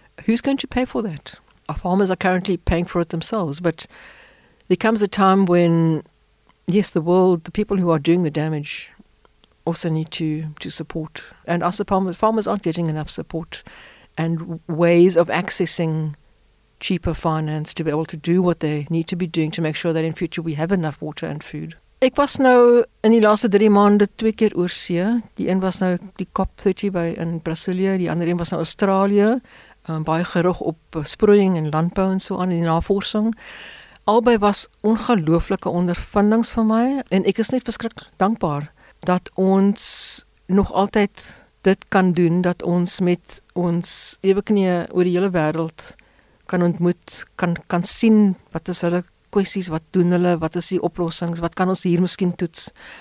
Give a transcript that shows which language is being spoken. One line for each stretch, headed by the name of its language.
English: Who's going to pay for that? Our farmers are currently paying for it themselves, but there comes a time when, yes, the world, the people who are doing the damage, also need to support. And us, the farmers aren't getting enough support and ways of accessing cheaper finance to be able to do what they need to be doing to make sure that in future we have enough water and food.
Afrikaans: Ek was nou in die laaste 3 maande 2 keer oor see. Die een was nou die COP30 by in Brasilia, die ander een was nou Australië, baie gerig op sproeiing en landbou en so aan die navorsing. Albei was ongelooflike ondervindings vir my en ek is net verskrik dankbaar dat ons nog altyd dit kan doen, dat ons met ons ewe knieë oor die hele wêreld kan ontmoet, kan sien wat is hulle kwessies, wat doen hulle, wat is die oplossings, wat kan ons hier miskien toets.